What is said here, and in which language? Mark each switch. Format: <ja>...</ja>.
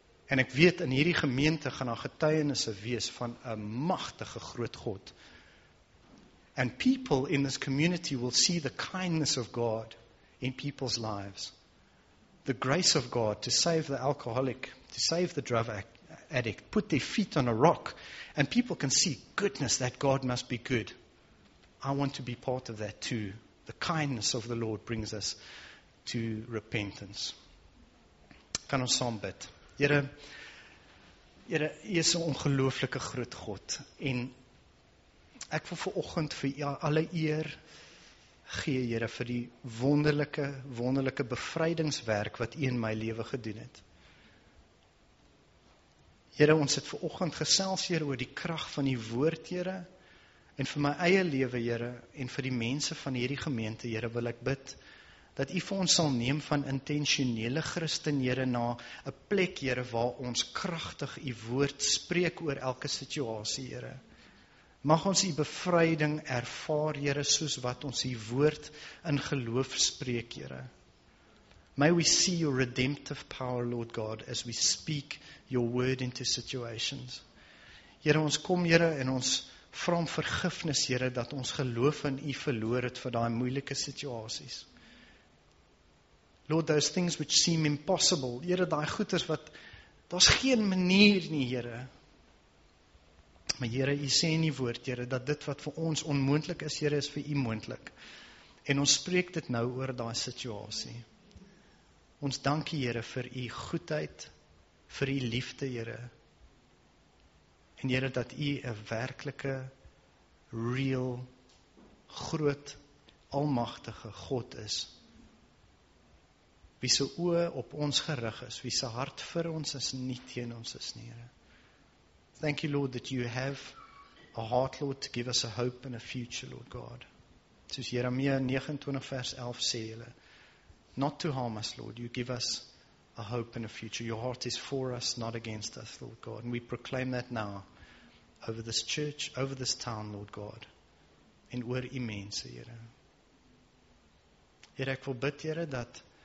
<af>En ek weet, in hierdie gemeente gaan daar getuienisse wees van 'n magtige groot God.</af> <en>And people in this community will see the kindness of God in people's lives. The grace of God to save the alcoholic, to save the drug addict, put their feet on a rock. And people can see, goodness, that God must be good. I want to be part of that too. The kindness of the Lord brings us to repentance.</en> <af>Kan ons saam bid. Here, jy is 'n ongelooflike groot God. En ek wil vanoggend vir jou alle eer gee, Here, vir die wonderlike, wonderlike bevrydingswerk wat u in my lewe gedoen het. Here, ons het vanoggend gesels, Here, oor die krag van die woord, Here, en vir my eie lewe, Here, en vir die mense van hierdie gemeente, Here, wil ek bid, dat u vir ons sal neem van intentionele Christen, Here, na 'n plek, Here, waar ons kragtig u woord spreek oor elke situasie, Here. Mag ons die bevryding ervaar, Here, soos wat ons die woord in geloof spreek, Here.</af> <en>May we see your redemptive power, Lord God, as we speak your word into situations.</en> <af>Here, ons kom, Here, en ons vra om vergifnis, Here, dat ons geloof in u verloor het vir daai moeilike situasies.</af> <en>Lord, those things which seem impossible,</en> <af>Here, daai goeders wat, daar's geen manier nie, Here. Maar Here, u sê in die woord, Here, dat dit wat vir ons onmoontlik is, Here, is vir u moontlik. En ons spreek dit nou oor daai situasie. Ons dank u, Here, vir u goedheid, vir u liefde, Here. En Here, dat u 'n werklike, real, groot, almagtige God is. Wie se oë op ons gerig is, wie se hart vir ons is, nie teen ons is nie, Here.</af> <en>Thank you, Lord, that you have a heart, Lord, to give us a hope and a future, Lord God.</en> <af>Soos Jeremia 29 vers 11 sê julle,</af> <en>not to harm us, Lord, you give us a hope and a future. Your heart is for us, not against us, Lord God. And we proclaim that now over this church, over this town, Lord God,</en> <af>en oor die mense, Here. Here, ek wil bid, Here, dat</af>